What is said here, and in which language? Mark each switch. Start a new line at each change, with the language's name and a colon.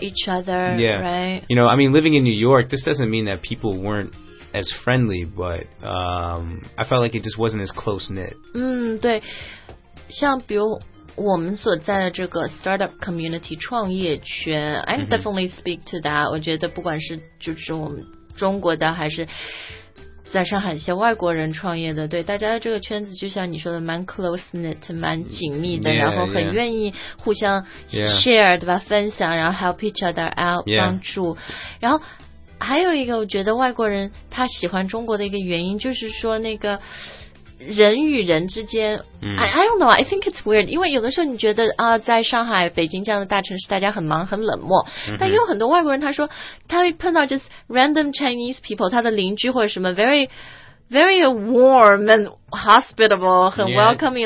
English: each other, yeah. right? You know, I mean, living in New York, this doesn't mean that people weren't as friendly, but I felt like it just wasn't as close-knit.
Chinese: 对。像比如我们所在的这个 startup community, 创业圈
English: I definitely speak to that.
Chinese: 我觉得不管是就是我们中国的还是在上海一些外国人创业的对大家的这个圈子就像你说的蛮 close-knit 蛮紧密的
English: yeah,
Chinese: 然后很愿意互相 share、
English: yeah.
Chinese: 对吧分享然后
English: help each other out、 yeah.
Chinese: 帮助然后还有一个我觉得外国人他喜欢中国的一个原因就是说那个人与人之间、
English: I don't know I think it's weird
Chinese: 因为有的时候你觉得、在上海北京这样的大城市大家很忙很冷漠、 mm-hmm. 但有很多外国人他说他会碰到
English: just random Chinese people
Chinese: 他的邻居或者什么
English: very very warm and hospitable
Chinese: 很 welcoming、